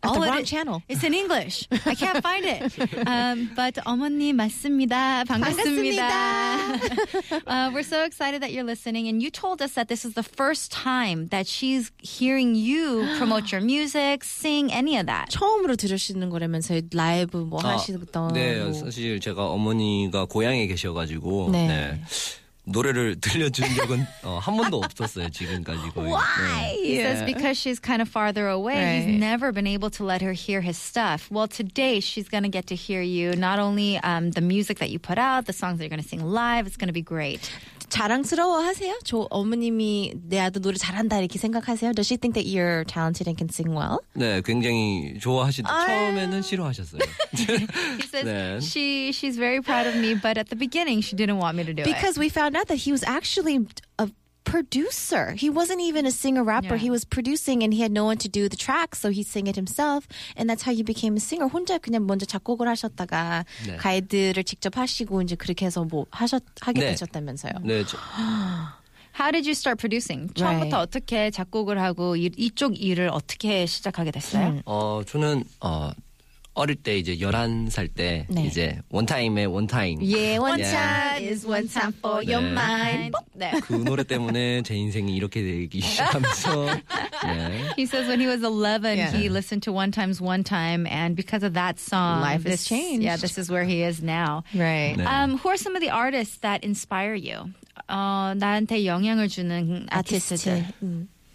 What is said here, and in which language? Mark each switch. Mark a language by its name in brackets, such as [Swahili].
[English] All the wrong channel. It's in English. I can't find it. But [Korean] 어머니 맞습니다. 반갑습니다. [English] We're so excited that you're listening. And you told us that this is the first time that she's hearing you promote your music, sing, any of that. [Korean] 처음으로 들으시는 거라면서 라이브 뭐 하시던 네, 사실 제가 어머니가 고향에 계셔가지고 네. 노래를 들려준 적은 한 번도 없었어요, 지금까지 거의. [English] Why? 네. He says because she's kind of farther away, right. he's never been able to let her hear his stuff. Well, today she's going to get to hear you, not only the music that you put out, the songs that you're going to sing live, it's going to be great. [Korean] 자랑스러워하세요? 저 어머님이 내 아들 노래 잘한다 이렇게 생각하세요? [English] Does she think that you're talented and can sing well? [Korean] 네, 굉장히 좋아하시죠. 처음에는 싫어하셨어요. [English] He says she's very proud of me, but at the beginning she didn't want me to do it. Because we found out that he was actually a producer. He wasn't even a singer-rapper. Yeah. He was producing and he had no one to do the tracks, so he sang it himself. And that's how he became a singer. [Korean] 혼자 그냥 먼저 작곡을 하셨다가 네. 가이드를 직접 하시고 이제 그렇게 해서 뭐 하게 네. 되셨다면서요. 네. [English] How did you start producing? [Korean] 처음부터 [English] right. [Korean] 어떻게 작곡을 하고 이쪽 일을 어떻게 시작하게 됐어요? 저는 어릴 때 이제 11살 때 네. 이제 원타임의 원타임 [English] Yeah, one time is one time for 네. your mind [Korean] 네. 그 노래 때문에 제 인생이 이렇게 되기 시작하면서 네. [English] He says when he was 11 yeah. he listened to One Time's One Time and because of that song Life has changed Yeah, this is where he is now Right [Korean] 네. [English] Who are some of the artists that inspire you? [Korean] 나한테 영향을 주는 아티스트들